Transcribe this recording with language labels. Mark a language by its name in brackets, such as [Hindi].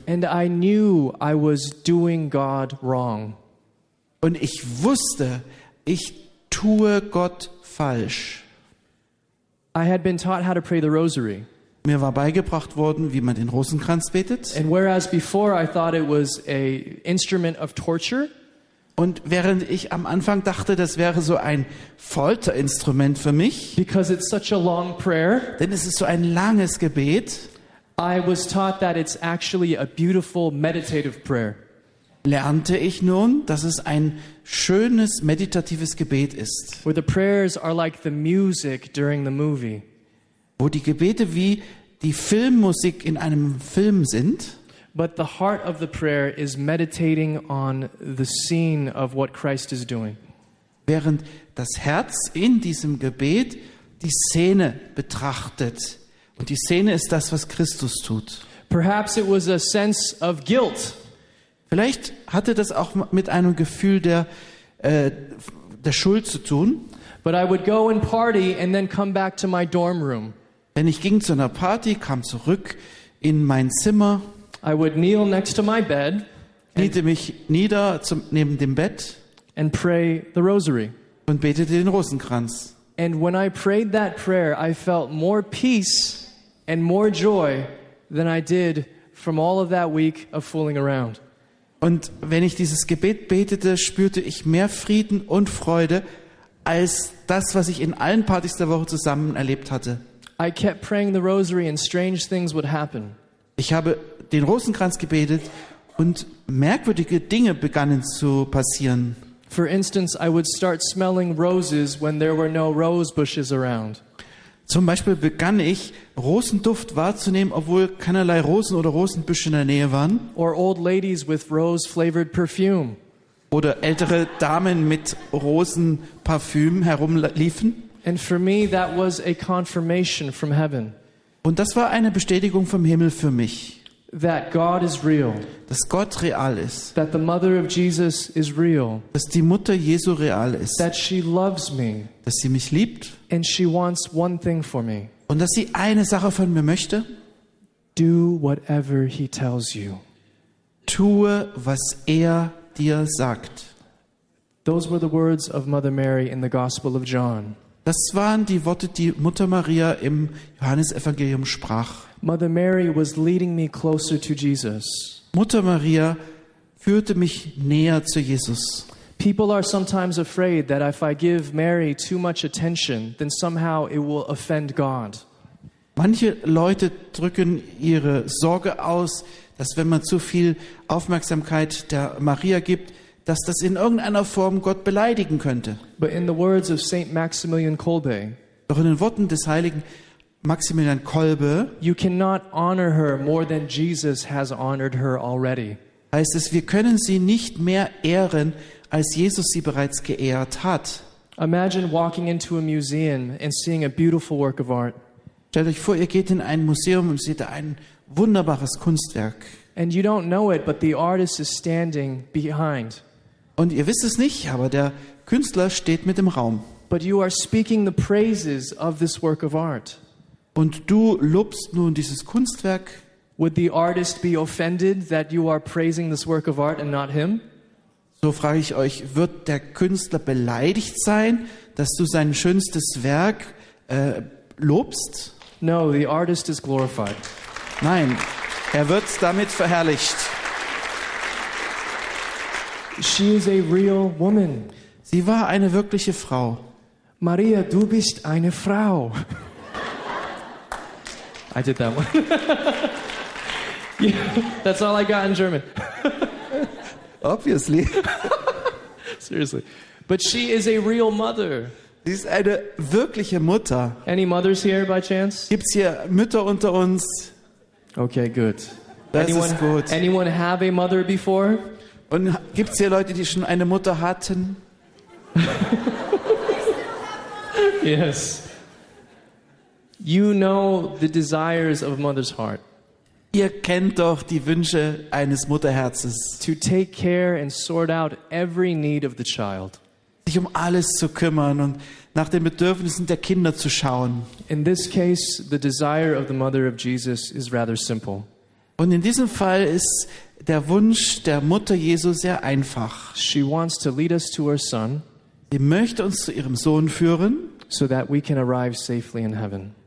[English] And I knew I was doing God wrong. [German] Und ich wusste, ich tue Gott falsch. [English] I had been taught how to pray the rosary. [German] Mir war beigebracht worden, wie man den Rosenkranz betet. [English] And whereas before I thought it was an instrument of torture. [German] Und während ich am Anfang dachte, das wäre so ein Folterinstrument für mich, [English] because it's such a long prayer, [German] denn es ist so ein langes Gebet, [English] I was taught that it's actually a beautiful meditative prayer. [German] Lernte ich nun, dass es ein schönes meditatives Gebet ist. [English] Where the prayers are like the music during the movie. [German] wo die Gebete wie die Filmmusik in einem Film sind. [English] But the heart of the prayer is meditating on the scene of what Christ is doing. [German] Während das Herz in diesem Gebet die Szene betrachtet. Und die Szene ist das, was Christus tut. [English] Perhaps it was a sense of guilt. [German] Vielleicht hatte das auch mit einem Gefühl der Schuld zu tun. [English] But I would go and party and then come back to my dorm room. [German] Denn ich ging zu einer Party, kam zurück in mein Zimmer. [English] I would kneel next to my bed. [German] Kniete mich nieder neben dem Bett. [English] And pray the rosary. [German] Und betete den Rosenkranz. [English] And when I prayed that prayer, I felt more peace and more joy than I did from all of that week of fooling around. [German] Und wenn ich dieses Gebet betete, spürte ich mehr Frieden und Freude als das, was ich in allen Partys der Woche zusammen erlebt hatte. [English] I kept praying the rosary and strange things would happen. [German] Ich habe den Rosenkranz gebetet und merkwürdige Dinge begannen zu passieren. [English] For instance, I would start smelling roses when there were no rose bushes around. [German] Zum Beispiel begann ich, Rosenduft wahrzunehmen, obwohl keinerlei Rosen oder Rosenbüsche in der Nähe waren. [English] Or old ladies with rose-flavored perfume. [German] Oder ältere Damen mit Rosenparfüm herumliefen. [English] And for me, that was a confirmation from heaven. [German] Und das war eine Bestätigung vom Himmel für mich. [English] That God is real. [German] Dass Gott real ist. [English] That the mother of Jesus is real. [German] Dass die Mutter Jesu real ist. [English] That she loves me. [German] Dass sie mich liebt. [English] And she wants one thing for me. [German] Und dass sie eine Sache von mir möchte. [English] Do whatever he tells you. [German] Tue, was er dir sagt. [English] Those were the words of Mother Mary in the Gospel of John. [German] Das waren die Worte, die Mutter Maria im Johannesevangelium sprach. [English] Mother Mary was leading me closer to Jesus. [German] Mutter Maria führte mich näher zu Jesus. [English] People are sometimes afraid that if I give Mary too much attention, then somehow it will offend God. [German] Manche Leute drücken ihre Sorge aus, dass wenn man zu viel Aufmerksamkeit der Maria gibt, dass das in irgendeiner Form Gott beleidigen könnte. [English] But in the words of Saint Maximilian Kolbe, [German] doch in den Worten des heiligen Maximilian Kolbe, [English] you cannot honor her more than Jesus has honored her already. [German] Heißt es, wir können sie nicht mehr ehren, als Jesus sie bereits geehrt hat. [English] Imagine walking into a museum and seeing a beautiful work of art. [German] Stellt euch vor, ihr geht in ein Museum und seht ein wunderbares Kunstwerk. [English] And you don't know it, but the artist is standing behind. [German] Und ihr wisst es nicht, aber der Künstler steht mit im Raum. [English] But you are speaking the praises of this work of art. [German] Und du lobst nun dieses Kunstwerk. [English] Would the artist be offended that you are praising this work of art and not him? [German] So frage ich euch, wird der Künstler beleidigt sein, dass du sein schönstes Werk lobst? [English] No, the artist is glorified. [German] Nein. Er wird damit verherrlicht. [English] She is a real woman. [German] Sie war eine wirkliche Frau. Maria, du bist eine Frau. [English] I did that one. Yeah, that's all I got in German. Obviously. Seriously. But she is a real mother. [German] Sie ist eine wirkliche Mutter. [English] Any mothers here by chance? [German] Gibt's hier Mütter unter uns? [English] Okay, good. [German] Das ist gut. [English] Anyone have a mother before? [German] Und gibt's hier Leute, die schon eine Mutter hatten? [English] Yes. You know the desires of a mother's heart. [German] Ihr kennt doch die Wünsche eines Mutterherzes. [English] To take care and sort out every need of the child. [German] Sich um alles zu kümmern und nach den Bedürfnissen der Kinder zu schauen. [English] In this case, the desire of the mother of Jesus is rather simple. [German] Und in diesem Fall ist der Wunsch der Mutter Jesu sehr einfach. [English] She wants to lead us to her son. [German] Sie möchte uns zu ihrem Sohn führen, [English] so that we can arrive safely in heaven.